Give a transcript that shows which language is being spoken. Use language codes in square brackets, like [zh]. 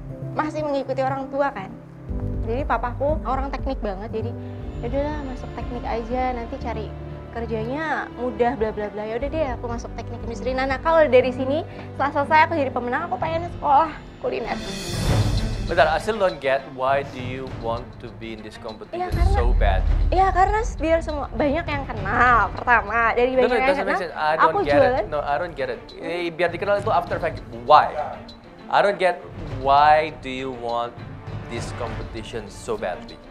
[id] Masih mengikuti orang tua kan, jadi papaku orang teknik banget, jadi yaudahlah masuk teknik aja, nanti cari kerjanya mudah bla bla bla, yaudah deh aku masuk teknik industri. Nah kalau dari sini setelah selesai aku jadi pemenang, aku pengen sekolah kuliner. Bentar, [en] I still don't get why do you want to be in this competition, [id] ya, karena, [en] so bad. [id] Ya karena biar semua banyak yang kenal pertama, dari banyak yang kenal, [en] I don't get it. [id] Biar dikenal itu [en] after effect, why? I don't get why do you want this competition so badly.